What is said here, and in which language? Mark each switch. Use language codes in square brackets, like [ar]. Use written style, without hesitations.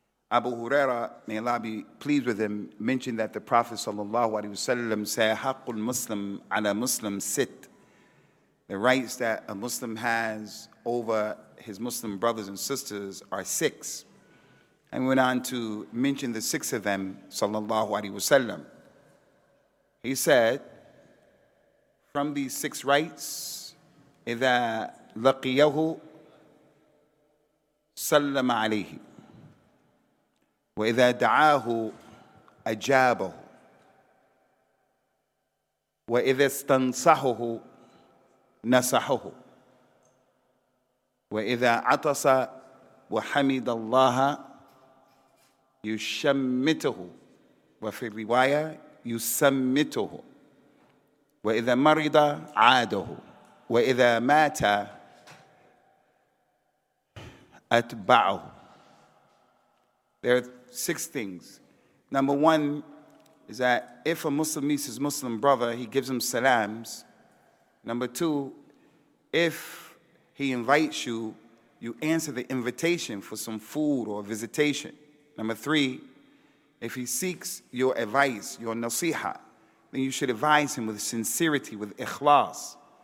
[en] Abu Huraira, may Allah be pleased with him, mentioned that the Prophet sallallahu alaihi wasallam said, [ar] "Haqqul Muslim ala Muslim sit." [en] The rights that a Muslim has over his Muslim brothers and sisters are six. And went on to mention the six of them, sallallahu alaihi wasallam. He said, from these six rights, [ar] إذا لقيه سلم عليه وإذا دعاه أجابه وإذا استنصحه نصحه وإذا عطس وحمد الله يشمته وفي الرواية يسمته وإذا مرض عاده وإذا مات أتبعه. [en] There are six things. Number one is that if a Muslim meets his Muslim brother, he gives him salams. Number two, if he invites you, you answer the invitation for some food or visitation. Number three, if he seeks your advice, your nasiha, then you should advise him with sincerity, with ikhlas.